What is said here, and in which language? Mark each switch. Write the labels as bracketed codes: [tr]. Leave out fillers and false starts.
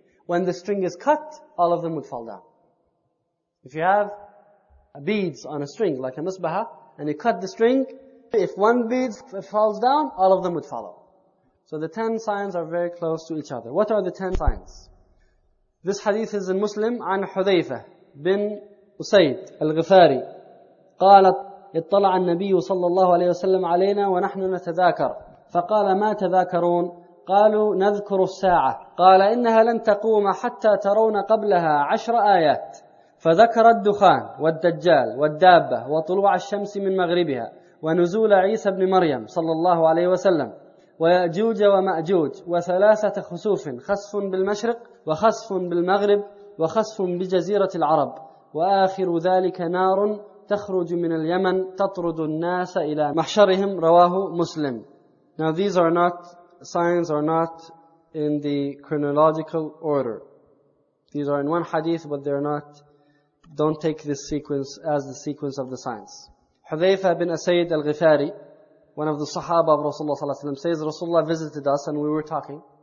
[en] When the string is cut, all of them would fall down. If you have beads on a string like a misbaha and you cut the string, if one bead falls down, all of them would follow. So the 10 signs are very close to each other. What are the 10 signs? This hadith is in Muslim, [ar] عن حذيفة بن أسيد الغفاري قالت اطلع النبي صلى الله عليه وسلم علينا ونحن نتذاكر فقال ما تذاكرون قالوا نذكر الساعة قال إنها لن تقوم حتى ترون قبلها 10 آيات فذكر الدخان والدجال والدابة وطلوع الشمس من مغربها ونزول عيسى بن مريم صلى الله عليه وسلم ويأجوج ومأجوج وثلاثة خسوف خسف بالمشرق وخسف بالمغرب وخسف بجزيرة العرب وآخر ذلك نار تخرج من اليمن تطرد الناس إلى محشرهم رواه مسلم. [en] Now these are not signs, are not in the chronological order. These are in one hadith, but they're not. Don't take this sequence as the sequence of the signs. Hudhayfa bin Asayd al-Ghifari, one of the Sahaba of Rasulullah sallallahu alaihi wasallam, says Rasulullah visited us and we were talking.